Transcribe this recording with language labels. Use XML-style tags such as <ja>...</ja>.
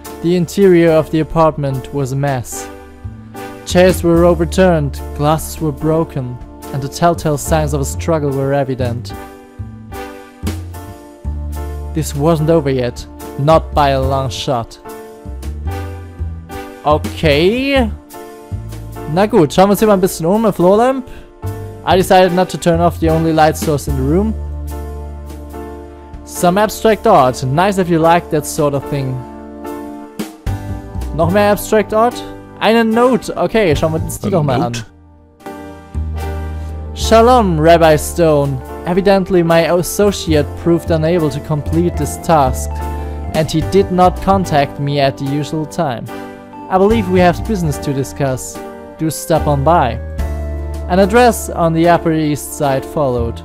<en>The interior of the apartment was a mess. Chairs were overturned, glasses were broken, and the telltale signs of a struggle were evident. This wasn't over yet, not by a long shot. Okay.</en> <de>Na gut, schauen wir uns hier mal ein bisschen um,</de> <en>a floor lamp. I decided not to turn off the only light source in the room. Some abstract art, nice if you like that sort of thing.</en> <de>Noch mehr abstract art? Eine Note, okay, schauen wir uns die doch mal an.</de> <en>Shalom, Rabbi Stone. Evidently my associate proved unable to complete this task, and he did not contact me at the usual time. I believe we have business to discuss. Do stop on by. An address on the Upper East Side followed.</en>